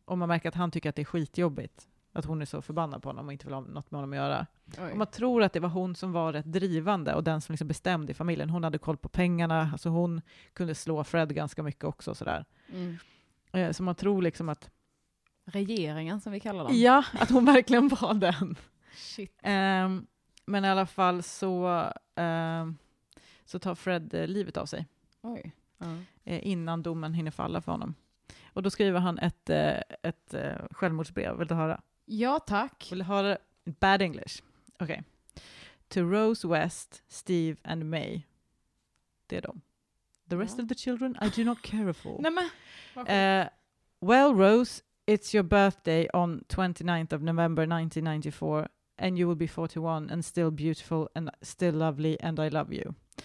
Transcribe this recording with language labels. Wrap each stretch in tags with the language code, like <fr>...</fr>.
<sv>Och man märker att han tycker att det är skitjobbigt att hon är så förbannad på honom och inte vill ha något med honom att göra. Oj. Och man tror att det var hon som var rätt drivande och den som liksom bestämde i familjen. Hon hade koll på pengarna, alltså hon kunde slå Fred ganska mycket också och sådär. Mm. Så man tror liksom att... Regeringen som vi kallar dem. Ja, att hon verkligen var den. Shit. Men i alla fall så tar Fred livet av sig. Oj. Innan domen hinner falla för honom. Och då skriver han ett självmordsbrev. Vill du höra? Ja, tack. Vill du höra bad English? Okej. Okay.</sv> <en>To Rose West, Steve and May.</en> <sv>Det är de.</sv> <en>The rest of the children I do not care for.</en> <sv>Nej, men.</sv> <en>Well, Rose, it's your birthday on 29th of November 1994 and you will be 41 and still beautiful and still lovely and I love you.</en>